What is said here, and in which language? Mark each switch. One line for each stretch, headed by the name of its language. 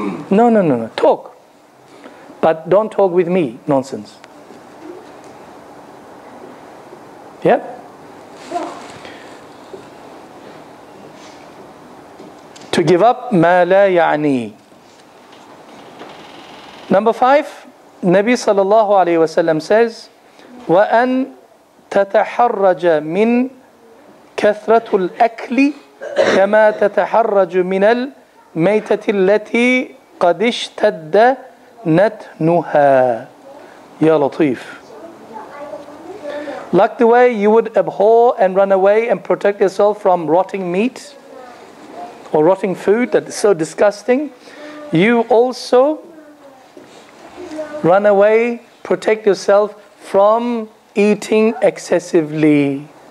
English: No, talk. But don't talk with me, nonsense. Yeah? To give up,
Arabic: ما لا يعني.
English: Number 5, Nabi sallallahu alayhi wa sallam says,
Arabic: وَأَن تَتَحَرَّجَ مِنْ كَثْرَةُ الْأَكْلِ كَمَا تَتَحَرَّجُ مِنَ الْمَيْتَةِ الَّتِي قَدِ اشْتَدَّ نَتْنُهَا. Ya Latif.
English: Like the way you would abhor and run away and protect yourself from rotting meat or rotting food that is so disgusting, you also run away, protect yourself from eating excessively.